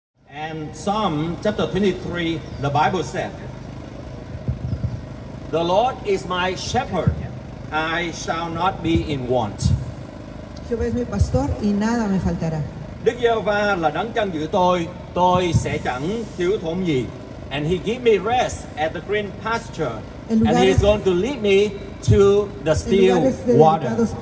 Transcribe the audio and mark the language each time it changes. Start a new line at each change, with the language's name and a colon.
English: And Psalm chapter 23, the Bible said, "The Lord is my shepherd; I shall not be in want."
Spanish: Jehová es mi pastor y nada me faltará.
Vietnamese: Đức Giê-hô-va là đấng chăn giữ tôi sẽ chẳng thiếu thốn gì.
English: And He give me rest at the green pasture, and He is going to lead me to the still water.